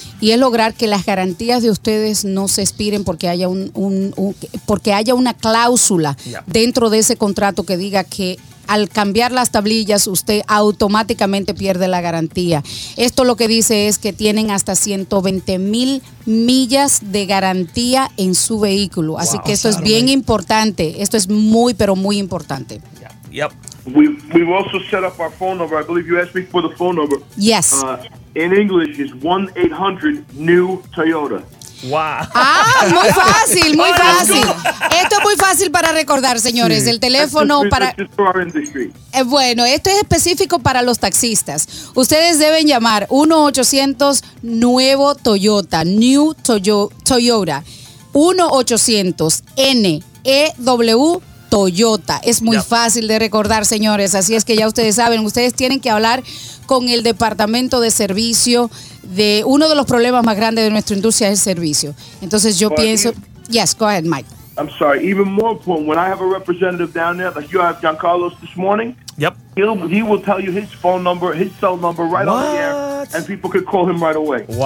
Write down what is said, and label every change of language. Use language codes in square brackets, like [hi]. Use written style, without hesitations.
[es] Y es lograr que las garantías de ustedes no se expiren porque haya una cláusula dentro de ese contrato que diga que al cambiar las tablillas usted automáticamente pierde la garantía. Esto lo que dice es que tienen hasta 120,000 millas de garantía en su vehículo. Así que esto es bien importante. Esto es muy, pero muy importante. [en] Yep. We've also set up our phone number. I believe you asked me for the phone number. Yes. In English, it's 1-800-NEW-TOYOTA. Wow. [es] Muy fácil, muy fácil. Esto es muy fácil para recordar, señores. El teléfono para... Bueno, esto es específico para los taxistas. Ustedes deben llamar 1-800-NUEVO-TOYOTA, NEW-TOYOTA, 1-800-NEW-TOYOTA. Toyota. Es muy fácil de recordar, señores. Así es que ya ustedes saben, ustedes tienen que hablar con el departamento de servicio. De uno de los problemas más grandes de nuestra industria es el servicio. Entonces yo pienso... [en] Yes, go ahead, Mike. I'm sorry, even more important, when I have a representative down there, like you have Giancarlo this morning, he will tell you his phone number, his cell number right on the air, and people could call him right away.